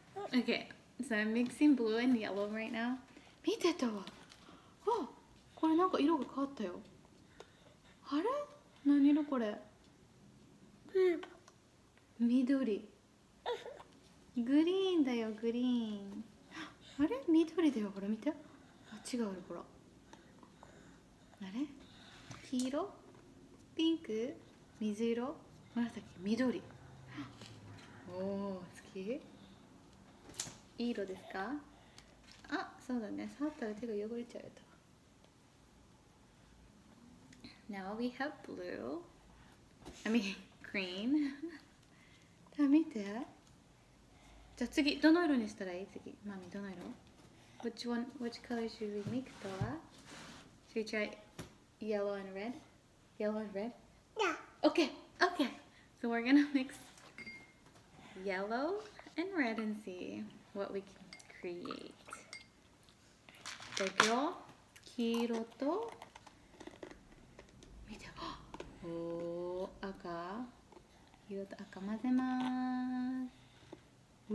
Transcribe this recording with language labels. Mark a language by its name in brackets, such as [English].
[English] Okay, so I'm mixing blue and yellow right now. [Japanese] 見てたわ。あ、これなんか色が変わったよ。あれ？何色これ？緑。グリーンだよ、グリーン。あれ？緑だよ、ほら見て。あ、違う、ほら。あれ？黄色？ピンク？水色？紫？緑。おお、好き？いい色ですか？あ、そうだね。触ったら手が汚れちゃうと。 [English] Now we have blue. I mean, green. [Japanese] じゃあ見て。じゃあ次、どの色にしたらいい？次、マミ、どの色？ [English] Which one, which color should we make, Towa? Should we try yellow and red? Yellow and red? Yeah. Okay, okay. So we're gonna mix yellow and red and see. What we can create. [Japanese] じゃあ今日、黄色と、見て、おお、赤、黄色と赤混ぜまーす。